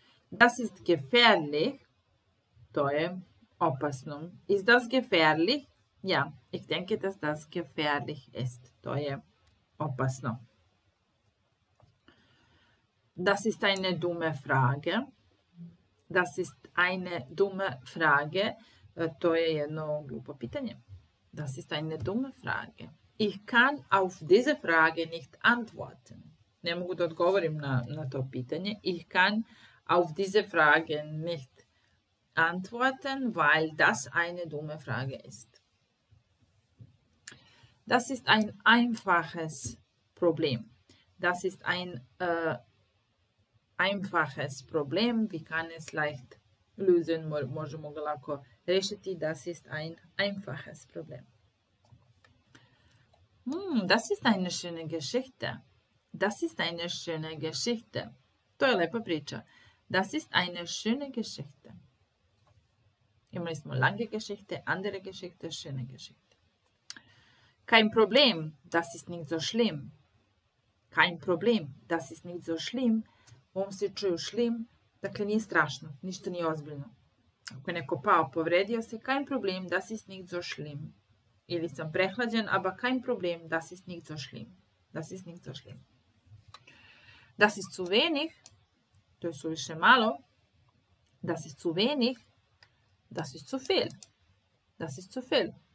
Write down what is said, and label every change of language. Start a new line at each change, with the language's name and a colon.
German: Das ist gefährlich.
Serbian: To je opasno.
German: Ist das gefährlich? Ja, ich denke, dass das gefährlich ist.
Serbian: To je opasno.
German: Das ist eine dumme Frage. Das ist eine dumme Frage.
Serbian: To je jedno glupo pitanje.
German: Das ist eine dumme Frage. Ich kann auf diese Frage nicht antworten.
Serbian: Ne mogu da odgovorim na to pitanje.
German: Ich kann auf diese Frage nicht antworten, weil das eine dumme Frage ist. Das ist ein einfaches Problem. Das ist ein einfaches Problem. Wie kann es leicht lösen?
Serbian: Možemo ga lako rešiti.
German: Das ist ein einfaches Problem. Das ist eine schöne Geschichte. Das ist eine schöne Geschichte.
Serbian: To je lepa priča.
German: Das ist eine schöne Geschichte. Immer ist mal lange Geschichte, andere Geschichte, schöne Geschichte. Kein Problem, das ist nicht so schlimm. Kein Problem, das ist nicht so schlimm.
Serbian: Ovom se čuju schlimm, dakle nije strašno, ništa nije ozbiljno. Ako je neko pao, povredio se,
German: kein Problem, das ist nicht so schlimm.
Serbian: Ili sam prehlađen,
German: aber kein Problem, das ist nicht so schlimm. Das ist nicht so schlimm. Das ist zu wenig,
Serbian: to je suviše malo.
German: Das ist zu wenig, das ist zu viel. Das ist zu viel.